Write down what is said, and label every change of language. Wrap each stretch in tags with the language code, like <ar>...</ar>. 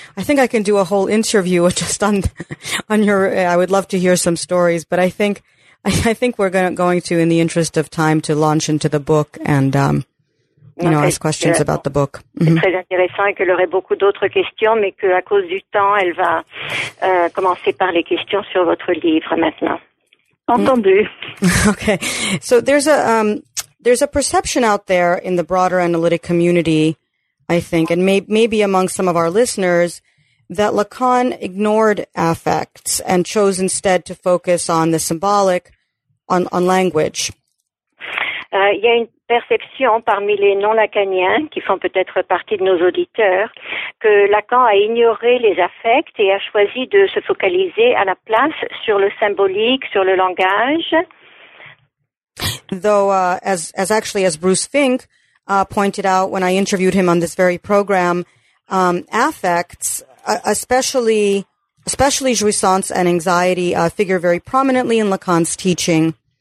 <en>I think I can do a whole interview just on your, I would love to hear some stories, but I think we're going to, in the interest of time, to launch into the book and, ask questions about the book. Mm-hmm.</en> <fr>C'est très intéressant et qu'elle aurait beaucoup d'autres questions, mais qu'à cause du temps, elle va commencer par les questions sur votre livre maintenant. Entendu.</fr> <en>Okay. So there's a perception out there in the broader analytic community, I think, and maybe among some of our listeners, that Lacan ignored affects and chose instead to focus on the symbolic, on language.</en> <fr>Il y a une perception parmi les non-lacaniens, qui font peut-être partie de nos auditeurs, que Lacan a ignoré les affects et a choisi de se focaliser à la place sur le symbolique, sur le langage.</fr> <en>Though, as Bruce Fink pointed out when I interviewed him on this very program, affects, especially jouissance and anxiety, figure very prominently in Lacan's teaching.</en>